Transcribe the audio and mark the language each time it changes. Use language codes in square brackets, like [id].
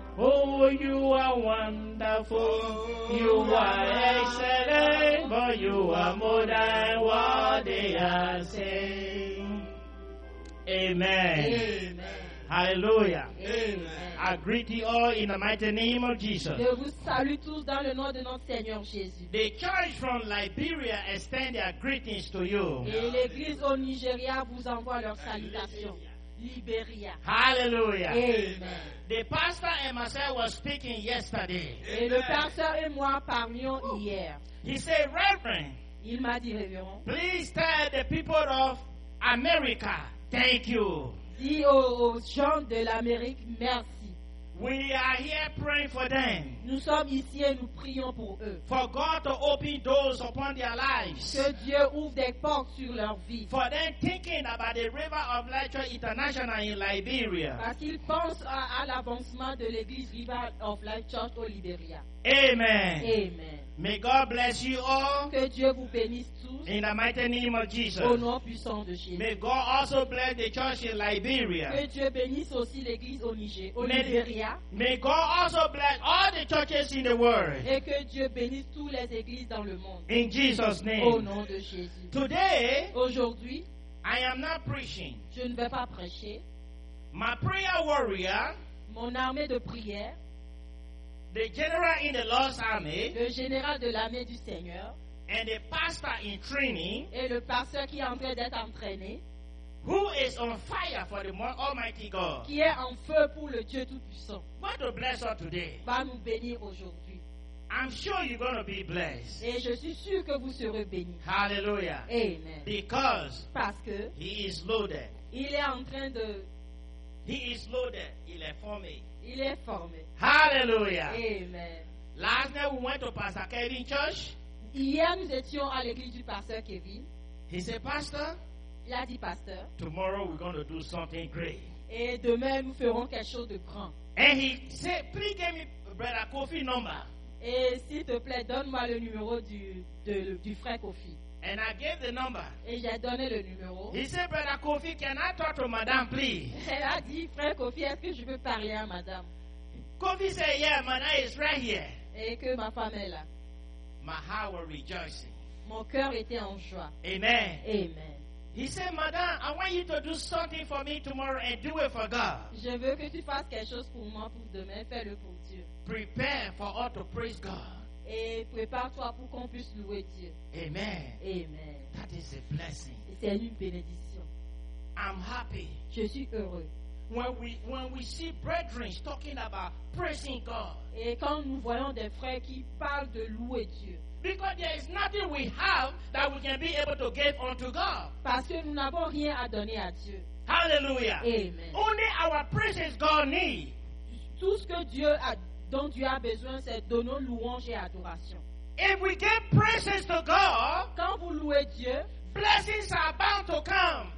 [en] Oh, you are wonderful, you are excellent, for you are more than what they are saying. Amen. Amen. Hallelujah. Amen. I greet you all in the mighty name of Jesus. [fr] Je vous salue tous dans le nom de notre Seigneur Jésus. [en] The church from Liberia extend their greetings to you. [fr] Et l'église au Nigeria vous envoie leurs salutations. [en] Liberia. Hallelujah. Amen. The pastor and myself were speaking yesterday. [fr] Amen. Et le pasteur et moi parlions hier. [en] He said, Reverend, [fr] il m'a dit, Reverend, [en] please tell the people of America, thank you. [fr] Dis aux gens de l'Amérique, merci. [en] We are here praying for them. [fr] Nous sommes ici et nous prions pour eux. [en] For God to open doors upon their lives. [fr] Que Dieu ouvre des portes sur leur vie. [en] For them thinking about the River of Life Church International in Liberia. [fr] Parce qu'ils pensent à l'avancement de l'église River of Life Church au Liberia. Amen. Amen. [en] May God bless you all. [fr] Que Dieu vous bénisse tous. [en] In the mighty name of Jesus. [fr] Au nom puissant de Jésus. [en] May God also bless the church in Liberia. [fr] Que Dieu bénisse aussi l'église au Niger, au Liberia. [en] May God also bless all the churches in the world. [fr] Et que Dieu bénisse toutes les églises dans le monde. [en] In Jesus' name. [fr] Au nom de Jésus. [en] Today, [fr] aujourd'hui, [en] I am not preaching. [fr] Je ne vais pas prêcher. [en] My prayer warrior. [fr] Mon armée de prière. [en] The general in the Lord's army, [fr] le général de l'armée du Seigneur, [en] and the pastor in training, [fr] et le pasteur qui est en train d'être entraîné, [en] who is on fire for the Almighty God, [fr] qui est en feu pour le Dieu Tout-Puissant, [en] God will bless us today. [fr] Va nous bénir aujourd'hui. [en] I'm sure you're going to be blessed. [fr] Et je suis sûr que vous serez bénis. Hallelujah. Amen. [en] Because [fr] parce que [en] he is loaded. [fr] Il est en train de. [en] He is loaded. [fr] Il est formé. Il est formé. Hallelujah. Amen. [en] Last night we went to Pastor Kevin church. [fr] Hier nous étions à l'église du pasteur Kevin. [en] He said, Pastor. [fr] Il a dit, Pasteur. [en] Tomorrow we're going to do something great. [fr] Et demain nous ferons quelque chose de grand. [en] And he said, please give me Brother Kofi number. [fr] Et s'il te plaît, donne-moi le numéro du frère Kofi. [en] And I gave the number. [fr] Et j'ai donné le numéro. [en] He said, Brother Kofi, can I talk to Madame, please? [fr] Elle a dit, frère Kofi, est-ce que je peux parler à Madame? [en] Kofi said, yeah, my name is right here. [fr] Et que ma femme est là. [en] My heart was rejoicing. [fr] Mon cœur était en joie. Amen. Amen. [en] He said, Madame, I want you to do something for me tomorrow and do it for God. [fr] Je veux que tu fasses quelque chose pour moi pour demain. Fais-le pour Dieu. [en] Prepare for us to praise God. [fr] Et prépare-toi pour qu'on puisse louer Dieu. Amen. Amen. [en] That is a blessing. [fr] C'est une bénédiction. [en] I'm happy. [fr] Je suis heureux. [en] When we see brethren talking about praising God. [fr] Et quand nous voyons des frères qui parlent de louer Dieu. [en] Because there is nothing we have that we can be able to give unto God. [fr] Parce que nous n'avons rien à donner à Dieu. Hallelujah. Amen. [en] Only our praises God need. [fr] Tout ce que Dieu a dont Dieu a besoin, c'est de nos louanges et adorations. [en] If we give praises to God, [fr] quand vous louez Dieu, [en] Blessings are bound to come.